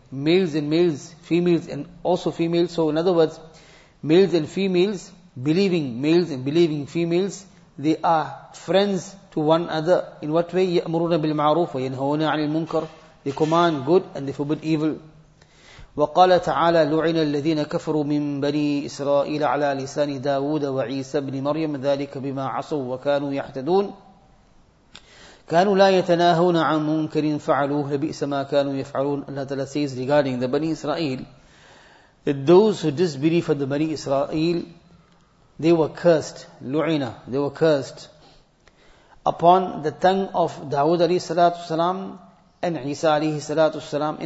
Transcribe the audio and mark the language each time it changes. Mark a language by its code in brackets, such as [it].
[en] Males and males, females and also females. So in other words, males and females, believing males and believing females, they are friends to one another. In what way? [ar] يَأْمُرُونَ بِالْمَعْرُوفِ وَيَنْهَوْنَ عَنِ الْمُنْكَرِ. [en] They command good and they forbid evil. [ar] وقال تعالى لعن الذين كفروا من بني إسرائيل على لسان داود وعيسى بن مريم ذلك بما عصوا وكانوا يعتدون كانوا لا يتناهون عن منكر فعلوه لبئس ما كانوا يفعلون. [en] الله تعالى says regarding the Bani Israel that those who disbelieve the Bani Israel, they were cursed, لعنة, they were cursed upon the tongue of داود [ar] عليه الصلاة والسلام [en] and Isa alayhi salatu salam.